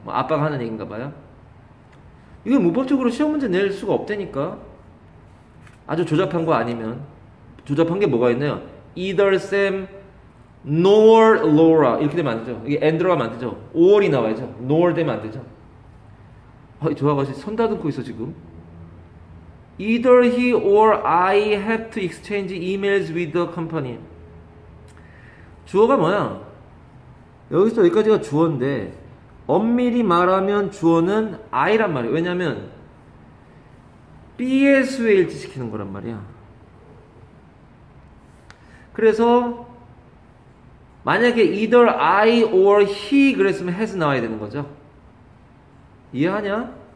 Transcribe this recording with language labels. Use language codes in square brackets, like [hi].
[ko] 뭐 아빠가 하는 얘기인가 봐요. 이건 무법적으로 시험 문제 낼 수가 없다니까. 아주 조잡한 거 아니면. 조잡한 게 뭐가 있나요? [en] Either Sam nor Laura [ko] 이렇게 되면 안 되죠. 이게 and로가 안 되죠. or이 나와야죠. nor 되면 안 되죠. 아, 저 아가씨 손 다듬고 있어 지금. [en] Either he or I have to exchange emails with the company. [ko] 주어가 뭐야? 여기서 여기까지가 주어인데 엄밀히 말하면 주어는 I란 말이에요. 왜냐면 B의 수에 일치시키는 거란 말이야. 그래서 만약에 [en] either I or he [ko] 그랬으면 has 나와야 되는 거죠. 이해하냐?